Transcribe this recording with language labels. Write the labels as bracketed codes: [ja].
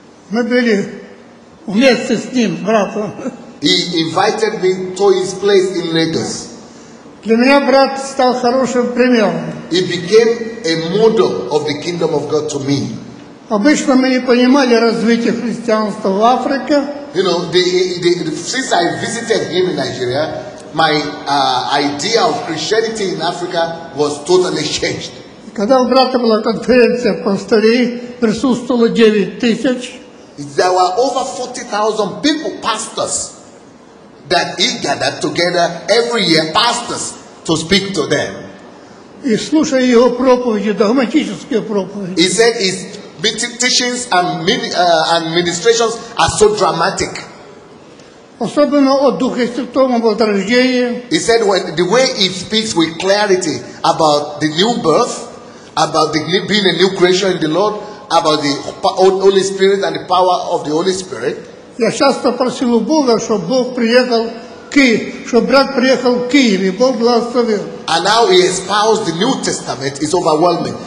[ru] Мы были вместе с ним, братом. [en] He invited me to his place in Lagos. [ru] Для меня брат стал хорошим примером. [en] He became a model of the kingdom of God to me. [ru] Обычно мы не понимали развитие христианства в Африке. [en] You know, since I visited him in Nigeria, my idea of Christianity in Africa was totally changed. [ru] Когда у брата была конференция пастырей, присутствовало 9000. [en] There were over 40,000 people, pastors, that he gathered together every year, pastors, to speak to them. [ru] И слушая его проповеди, догматические проповеди. [en] He said his teachings and ministrations are so dramatic. [ru] Особенно о Духе Святом, об отрождении. [en] He said the way he speaks with clarity about the new birth, about being a new creation in the Lord, about the Holy Spirit and the power of the Holy Spirit. [ru] Я часто просил у Бога, чтобы Бог приехал к Киев, чтобы брат приехал к Киев, и Бог благословил. [en] And how he espoused the New Testament is overwhelming.